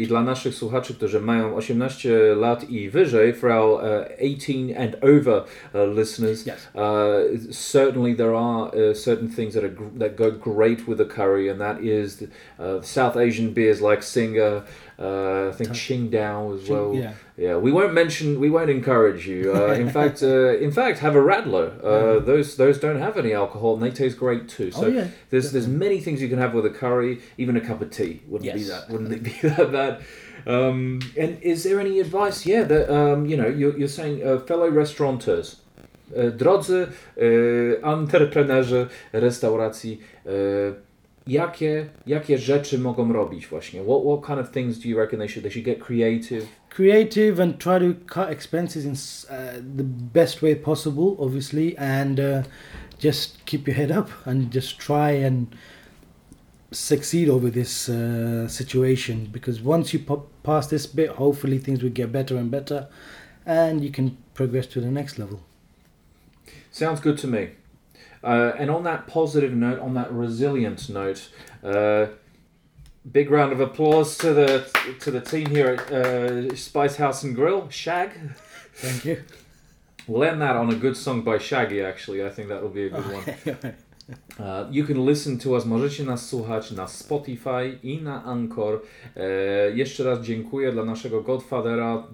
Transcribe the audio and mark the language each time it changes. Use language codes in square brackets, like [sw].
[pl] I dla naszych słuchaczy, którzy mają 18 lat i wyżej, [en] for our 18 and over listeners, yes. Certainly there are certain things that go great with a curry, and that is the South Asian beers like Singer, I think Qingdao as well. Yeah, we won't mention, we won't encourage you. In fact, have a Rattler. Those don't have any alcohol, and they taste great too. So there's many things you can have with a curry. Even a cup of tea wouldn't it be that bad. And is there any advice? Yeah, that you're saying fellow restaurateurs. [pl] Drodzy entrepreneurzy restauracji, jakie rzeczy mogą robić właśnie? [en] What kind of things do you reckon they should get creative? Creative and try to cut expenses in the best way possible, obviously, and just keep your head up and just try and succeed over this situation. Because once you pass this bit, hopefully things will get better and better and you can progress to the next level. Sounds good to me. And on that positive note, on that resilient note, big round of applause to the team here at Spice House and Grill, Shag. Thank you. We'll end that on a good song by Shaggy, actually. I think that will be a good one. You can listen to us, [pl] możecie nas słuchać na Spotify i na Anchor. Jeszcze raz dziękuję dla naszego Godfathera.